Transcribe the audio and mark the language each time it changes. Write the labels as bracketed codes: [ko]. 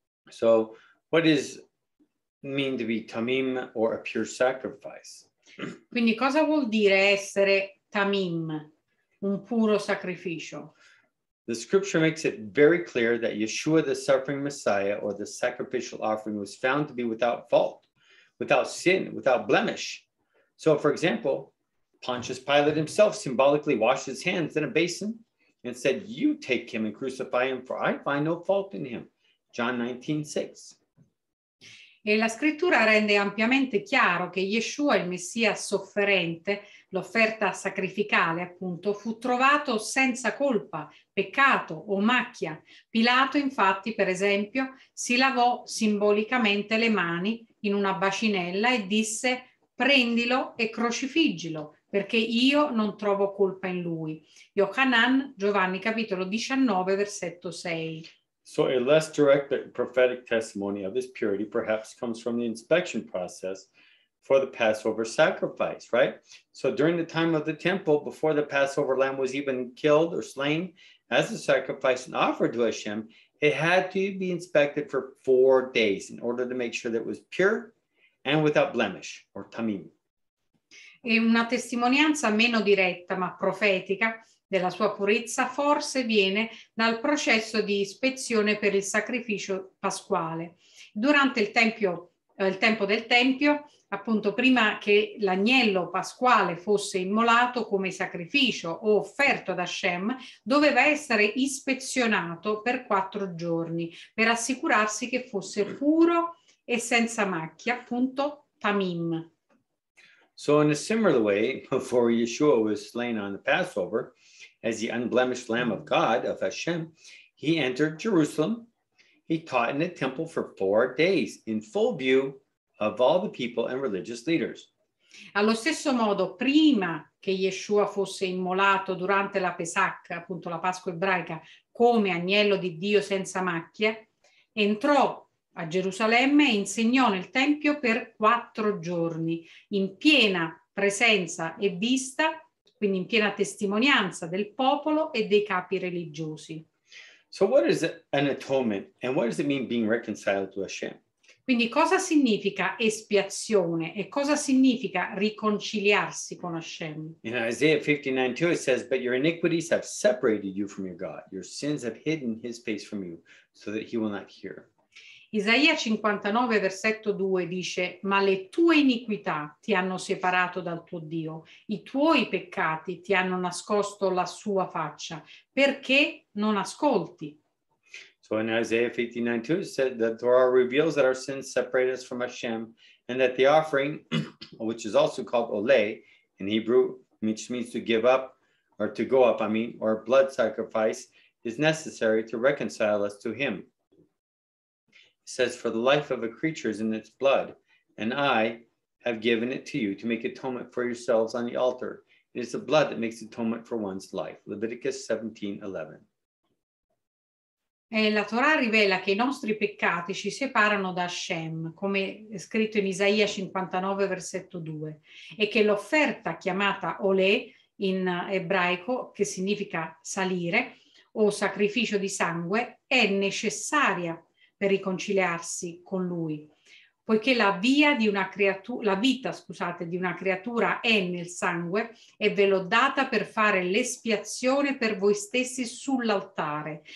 [en] So, what is mean to be tamim or a pure sacrifice? [it] Quindi cosa vuol dire essere tamim, un puro sacrificio? [en] The scripture makes it very clear that Yeshua, the suffering Messiah, or the sacrificial offering, was found to be without fault, without sin, without blemish. So, for example, Pontius Pilate himself symbolically washed his hands in a basin and said, "You take him and crucify him, for I find no fault in him." John 19:6. [it] E la scrittura rende ampiamente chiaro che Yeshua, il Messia sofferente, l'offerta sacrificale, appunto, fu trovato senza colpa, peccato o macchia. Pilato, infatti, per esempio, si lavò simbolicamente le mani in una bacinella e disse: "Prendilo e crocifiggilo, perché io non trovo colpa in lui." Yohanan, Giovanni capitolo 19, versetto 6. [en] So a less direct but prophetic testimony of his purity perhaps comes from the inspection process for the Passover sacrifice, right? So during the time of the temple, before the Passover lamb was even killed or slain as a sacrifice and offered to Hashem, it had to be inspected for 4 days in order to make sure that it was pure and without blemish or tamim. [it] E una testimonianza meno diretta ma profetica della sua purezza forse viene dal processo di ispezione per il sacrificio pasquale. Durante il tempo del Tempio, appunto prima che l'agnello pasquale fosse immolato come sacrificio o offerto ad Hashem, doveva essere ispezionato per 4 giorni per assicurarsi che fosse puro e senza macchia, appunto tamim. [en] So in a similar way, before Yeshua was slain on the Passover, as the unblemished Lamb of God, of Hashem, he entered Jerusalem. He taught in the temple for 4 days in full view of all the people and religious leaders. [it] Allo stesso modo, prima che Yeshua fosse immolato durante la Pesach, appunto la Pasqua ebraica, come agnello di Dio senza macchia, entrò a Gerusalemme e insegnò nel Tempio per 4 giorni, in piena presenza e vista, quindi in piena testimonianza del popolo e dei capi religiosi. [en] So what is an atonement and what does it mean being reconciled to Hashem? [it] Quindi cosa significa espiazione e cosa significa riconciliarsi con Hashem? [en] In Isaiah 59:2 it says, "But your iniquities have separated you from your God. Your sins have hidden his face from you so that he will not hear." [it] Isaia 59, versetto 2 dice: "Ma le tue iniquità ti hanno separato dal tuo Dio, i tuoi peccati ti hanno nascosto la sua faccia, perché non ascolti." [en] So in Isaiah 59:2 it said that the Torah reveals that our sins separate us from Hashem, and that the offering, which is also called Oleh in Hebrew, which means to give up, or to go up, I mean, or blood sacrifice, is necessary to reconcile us to Him. It says, "For the life of a creature is in its blood, and I have given it to you to make atonement for yourselves on the altar. It is the blood that makes atonement for one's life." Leviticus 17:11. [it] E la Torah rivela che i nostri peccati ci separano da Hashem, come è scritto in Isaia 59, versetto 2, e che l'offerta chiamata Olè in ebraico, che significa salire, o sacrificio di sangue è necessaria per riconciliarsi con lui, poiché la via di una creatura, la vita, scusate, di una creatura è nel sangue e ve l'ho data per fare l'espiazione per voi stessi sull'altare.